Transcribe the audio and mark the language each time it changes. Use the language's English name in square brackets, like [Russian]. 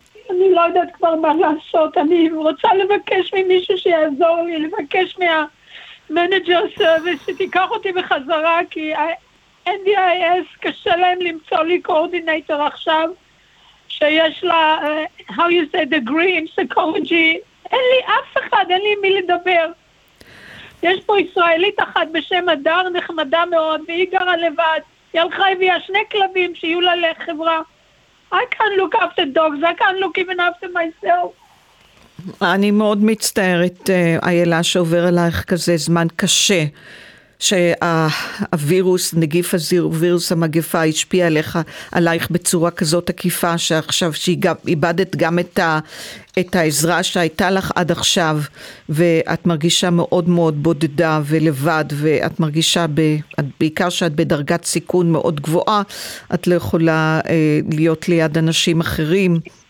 [Hebrew] אני לא יודעת כבר מה לעשות, אני רוצה לבקש ממישהו שיעזור לי, לבקש מהמנג'ר סרוויס שתיקח אותי בחזרה, כי ה-NDIS קשה להם למצוא לי קורדינטור עכשיו, שיש לה, [English] how you say, degree in psychology, [Hebrew] אין לי אף אחד, אין לי מי לדבר. יש פה ישראלית אחת בשם אדר, נחמדה מאוד, והיא גרה לבד, היא הלכה הביאה שני כלבים שיהיו לה לחברה. [English] I can't look after dogs, I can't look even after myself. [Hebrew] אני מאוד מצטערת, איילה, שעובר אלייך כזה זמן קשה, שהווירוס, נגיף הווירוס המגפה השפיע עליך, עלייך בצורה כזאת עקיפה, שעכשיו שאיבדת גם את, את העזרה שהייתה לך עד עכשיו, ואת מרגישה מאוד מאוד בודדה ולבד, ואת מרגישה בעיקר שאת בדרגת סיכון מאוד גבוהה, את לא יכולה להיות ליד אנשים אחרים.